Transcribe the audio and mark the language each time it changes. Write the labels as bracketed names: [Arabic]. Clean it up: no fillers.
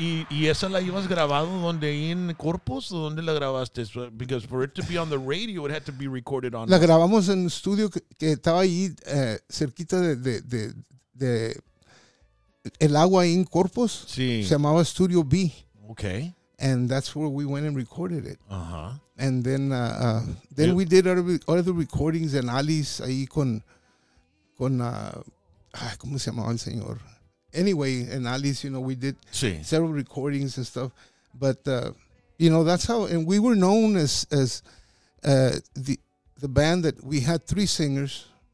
[Spanish] ¿Y esa la ibas grabado donde en Corpus o donde la grabaste? [English] Because for it to be on the radio, it had to be recorded on. [Spanish] La grabamos en un estudio que estaba ahí cerquita de el agua en Corpus. Sí. Se llamaba Studio B. [English] Okay. And that's where we went and recorded it. Uh-huh. And then we did other recordings and Alice [Spanish] ahí con ¿cómo se llamaba el señor? [English] Anyway, and Alice, you know, we did [Spanish] sí. [English] several recordings and stuff, but you know, that's how, and we were known as the band that we had three singers.